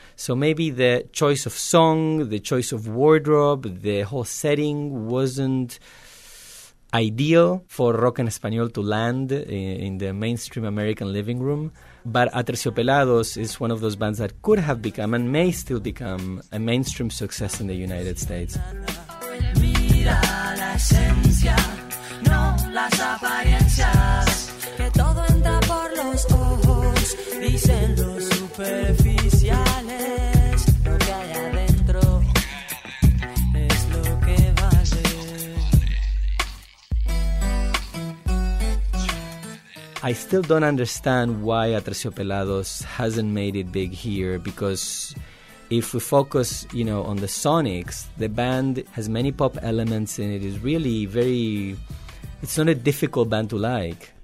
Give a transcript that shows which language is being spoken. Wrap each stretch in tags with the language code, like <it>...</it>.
<en>So maybe the choice of song, the choice of wardrobe, the whole setting wasn't ideal for rock and español to land in the mainstream American living room. But Aterciopelados is one of those bands that could have become and may still become a mainstream success in the United States.</en> <es>Mira la esencia, no las apariencias, que todo entra por los ojos, dicen los superficiales, lo que hay adentro es lo que vale.</es> <en>I still don't understand why Aterciopelados hasn't made it big here, because if we focus, you know, on the Sonics, the band has many pop elements and it is really very, it's not a difficult band to like.</en>